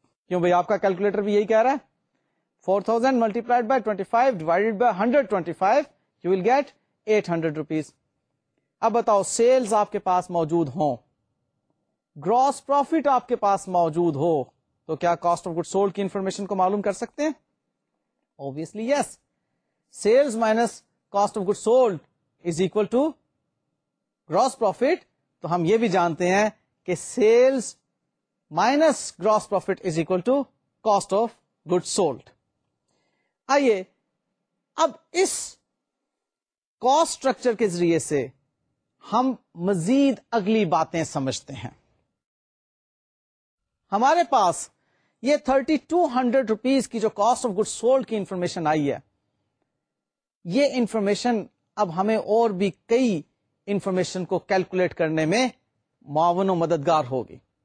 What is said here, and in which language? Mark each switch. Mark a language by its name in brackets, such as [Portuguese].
[Urdu] کیوں بھائی آپ کا کیلکولیٹر بھی یہی کہہ رہا ہے [English] 4000 multiplied by 25 divided by 125 you will get 800 rupees. [Urdu] اب بتاؤ سیلز آپ کے پاس موجود ہوں, گراس پروفٹ آپ کے پاس موجود ہو تو کیا کاسٹ آف گڈ سولڈ کی انفارمیشن کو معلوم کر سکتے ہیں؟ [English] Obviously yes. Sales minus cost of goods sold is equal to gross profit. [Urdu] تو ہم یہ بھی جانتے ہیں کہ [English] sales minus gross profit is equal to cost of goods sold. [Urdu] آئیے اب اس cost structure کے ذریعے سے ہم مزید اگلی باتیں سمجھتے ہیں. ہمارے پاس یہ 3200 روپیز کی جو کاسٹ آف گڈ سولڈ کی انفارمیشن آئی ہے, یہ انفارمیشن اب ہمیں اور بھی کئی انفارمیشن کو کیلکولیٹ کرنے میں معاون و مددگار ہوگی.